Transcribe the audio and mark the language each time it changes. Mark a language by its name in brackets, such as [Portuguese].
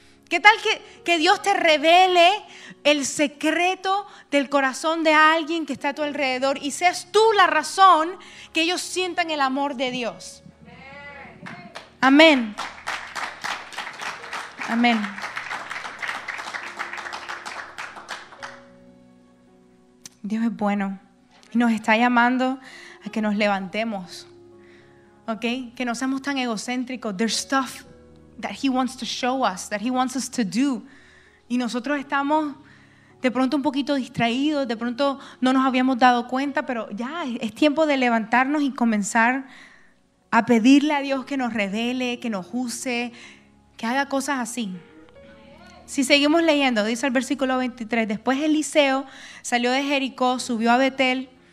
[Spanish] ¿Qué tal que Dios te revele el secreto del corazón de alguien que está a tu alrededor y seas tú la razón que ellos sientan el amor de Dios? Amén. Amén. Dios es bueno y nos está llamando a que nos levantemos, ¿ok? Que no seamos tan egocéntricos. [English] There's stuff that He wants to show us, that He wants us to do. [Spanish] Y nosotros estamos de pronto un poquito distraídos, de pronto no nos habíamos dado cuenta, pero ya es tiempo de levantarnos y comenzar a pedirle a Dios que nos revele, que nos use, que haga cosas así. Si seguimos leyendo, dice el versículo 23, después Eliseo salió de Jericó, subió a Betel.